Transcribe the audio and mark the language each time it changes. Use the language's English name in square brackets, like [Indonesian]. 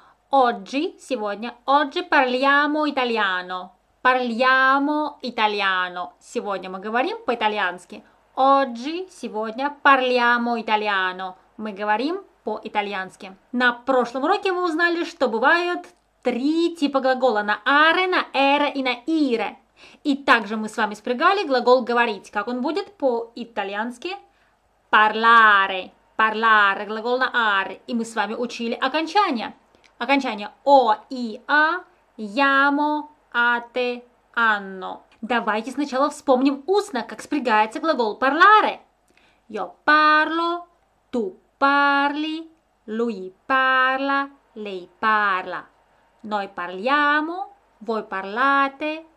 [Italian] Oggi parliamo italiano. Parliamo italiano. [Russian] Сегодня мы говорим по-итальянски. [Italian] Oggi, [Russian] сегодня, [Italian] parliamo italiano. [Russian] Мы говорим по-итальянски. На прошлом уроке мы узнали, что бывают три типа глагола на аре, на эре и на ире. И также мы с вами спрягали глагол говорить. Как он будет по-итальянски? [Italian] Parlare. [Russian] Parlare, глагол на аре. И мы с вами учили окончание. Окончание о, и, а, ямо, ате, анно. Давайте сначала вспомним устно, как спрягается глагол parlare. [Italian] Io parlo, tu parli, lui parla, lei parla. Noi parliamo, voi parlate.